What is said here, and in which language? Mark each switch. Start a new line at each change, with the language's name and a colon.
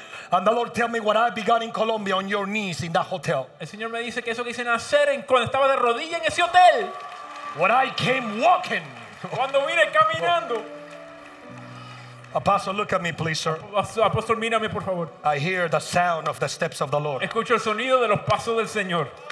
English: And the Lord tell me what I began in Colombia on your knees in that hotel.
Spanish: El Señor me dice que eso que hice nacer en cuando estaba de rodillas en ese hotel.
English: When I came walking.
Spanish: Cuando vine caminando.
English: Apostle, look at me, please, sir.
Spanish: Apostle, mírame, por favor.
English: I hear the sound of the steps of the Lord.
Spanish: Escucho el sonido de los pasos del Señor.